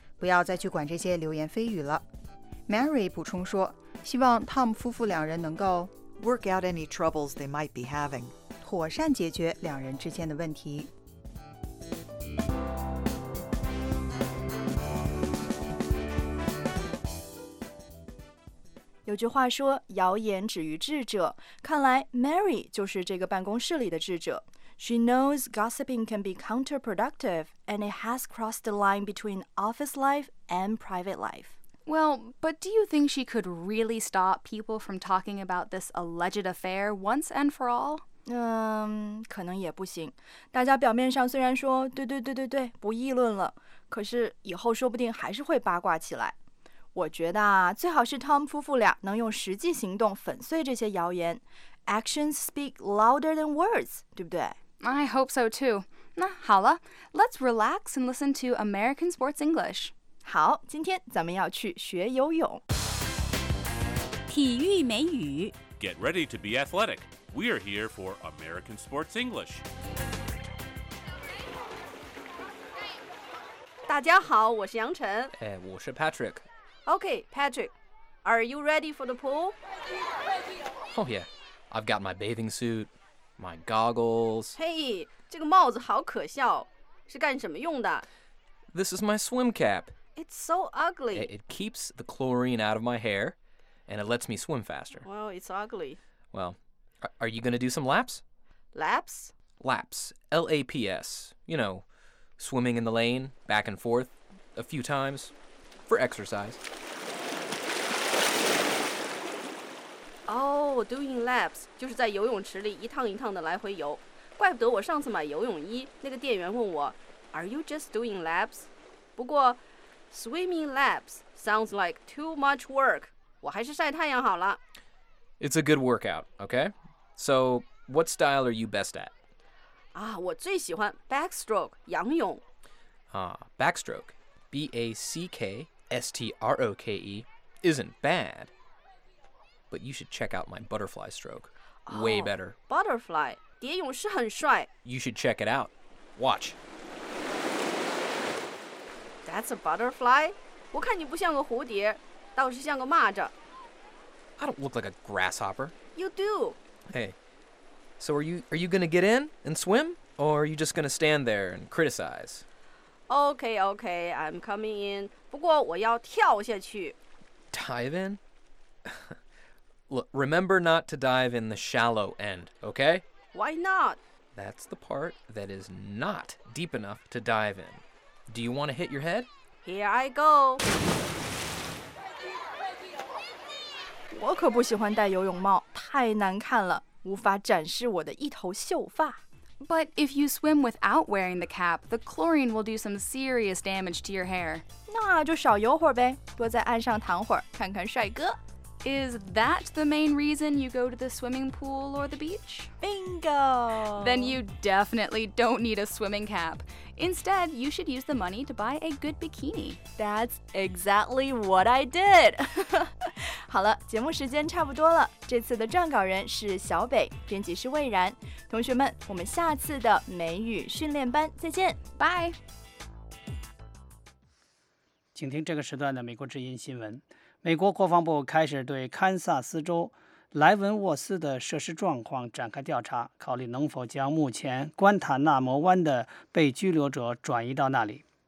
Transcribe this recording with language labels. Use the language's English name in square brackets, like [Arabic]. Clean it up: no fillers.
[Chinese] 不要再去管这些流言蜚语了。 Mary 补充说。希望 Tom 夫妇两人能够 [English] work out any troubles they might be having， [Chinese] 妥善解决两人之间的问题。有句话说，谣言止于智者。看来 Mary 就是这个办公室里的智者。 [English] She knows gossiping can be counterproductive, and it has crossed the line between office life and private life. Well, but do you think she could really stop people from talking about this alleged affair once and for all? [Chinese] 可能也不行。大家表面上虽然说对对对对对，不议论了，可是以后说不定还是会八卦起来。我觉得啊，最好是 Tom 夫妇俩能用实际行动粉碎这些谣言。 [English] Actions speak louder than words, [Chinese] 对不对？ [English] I hope so too. [Chinese] 那好了， [English] let's relax and listen to American Sports English. [Chinese] 好，今天咱们要去学游泳。体育美语。 [English] Get ready to be athletic. We are here for American Sports English. [Chinese] 大家好，我是杨晨。哎，我是 Patrick. [English] Okay, Patrick, are you ready for the pool? Oh yeah, I've got my bathing suit, my goggles. [Chinese] Hey, 这个帽子好可笑，是干什么用的？ [English] This is my swim cap. It's so ugly. It keeps the chlorine out of my hair, and it lets me swim faster. Well, it's ugly. Well, are you going to do some laps? Laps? Laps. L-A-P-S. You know, swimming in the lane, back and forth, a few times, for exercise. Oh, doing laps. [Chinese] 就是在游泳池里一趟一趟的来回游。怪不得我上次买游泳衣，那个店员问我 , [English] Are you just doing laps? [Chinese] 不过 [English] Swimming laps sounds like too much work. [Chinese] 我还是晒太阳好了。 [English] It's a good workout, okay? So, what style are you best at? [Chinese] 啊，我最喜欢 backstroke, 仰泳。 [English] Ah, backstroke, B-A-C-K-S-T-R-O-K-E, isn't bad. But you should check out my butterfly stroke. Way better. [Chinese] Butterfly, 蝶泳是很帅。 [English] You should check it out. Watch. That's a butterfly? [Chinese] 我看你不像个蝴蝶，倒是像个蚂蚱。 [English] I don't look like a grasshopper. You do. Hey, so are you gonna get in and swim? Or are you just gonna stand there and criticize? Okay, okay, I'm coming in. [Chinese] 不过我要跳下去。 [English] Dive in? Look, remember not to dive in the shallow end, okay? Why not? That's the part that is not deep enough to dive in. Do you want to hit your head? Here I go. [Chinese] 我可不喜欢戴游泳帽，太难看了，无法展示我的一头秀发。 [English] But if you swim without wearing the cap, the chlorine will do some serious damage to your hair. [Chinese] 那就少游会儿呗，多在岸上躺会儿，看看帅哥。 [English] Is that the main reason you go to the swimming pool or the beach? Bingo! Then you definitely don't need a swimming cap. Instead, you should use the money to buy a good bikini. That's exactly what I did! [Chinese] 好了，节目时间差不多了。这次的撰稿人是小北，编辑是魏然。同学们，我们下次的美语训练班再见。 [English] Bye! [Chinese] 请听这个时段的美国之音新闻。美国国防部开始对堪萨斯州莱文沃斯的设施状况展开调查，考虑能否将目前关塔纳摩湾的被拘留者转移到那里。